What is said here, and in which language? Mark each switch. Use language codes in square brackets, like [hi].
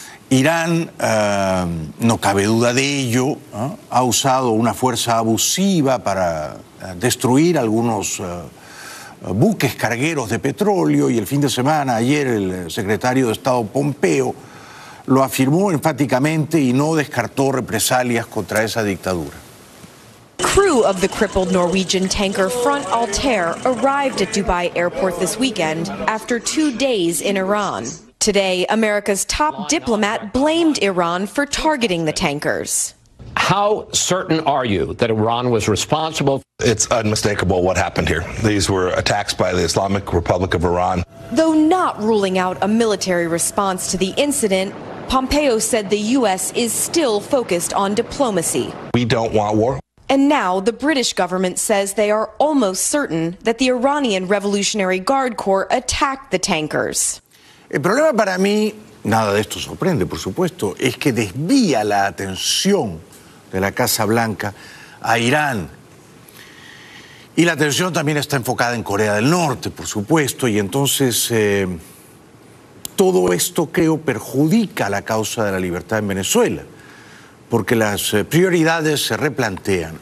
[es] Irán, no cabe duda de ello, ha usado una fuerza abusiva para destruir algunos buques cargueros de petróleo, y el fin de semana, ayer, el secretario de Estado Pompeo lo afirmó enfáticamente y no descartó represalias contra esa dictadura. [en] Crew of the crippled Norwegian tanker Front Altair arrived at Dubai airport this weekend after 2 days in Iran. Today, America's top diplomat blamed Iran for targeting the tankers. How certain are you that Iran was responsible? It's unmistakable what happened here. These were attacks by the Islamic Republic of Iran. Though not ruling out a military response to the incident, Pompeo said the U.S. is still focused on diplomacy. We don't want war. And now the British government says they are almost certain that the Iranian Revolutionary Guard Corps attacked the tankers. [es] El problema para mí, nada de esto sorprende, por supuesto, es que desvía la atención de la Casa Blanca a Irán. Y la atención también está enfocada en Corea del Norte, por supuesto, y entonces todo esto, creo, perjudica la causa de la libertad en Venezuela, porque las prioridades se replantean.